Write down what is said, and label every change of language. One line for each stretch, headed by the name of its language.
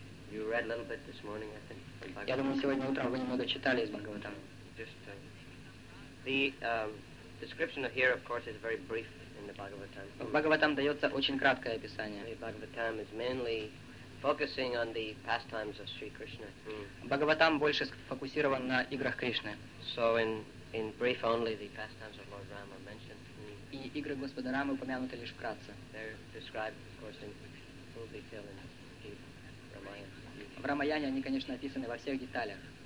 English: You read a little bit this morning, I think.
Russian: Я думаю, сегодня утром вы немного читали из Бхагаватам.
English: Just the description of here, of course, is very brief in the Bhagavatam.
Russian: В Бхагаватам дается очень краткое описание.
English: The Bhagavatam is mainly focusing on the pastimes of Sri Krishna.
Russian: Бхагаватам больше сфокусирован на играх Кришны.
English: So in brief only, the pastimes of Lord Ram are mentioned.
Russian: И игры Господа Рамы упомянуты лишь вкратце.
English: They're described, of course, in full detail in the Ramayana.
Russian: В Рамаяне они, конечно, описаны во всех деталях.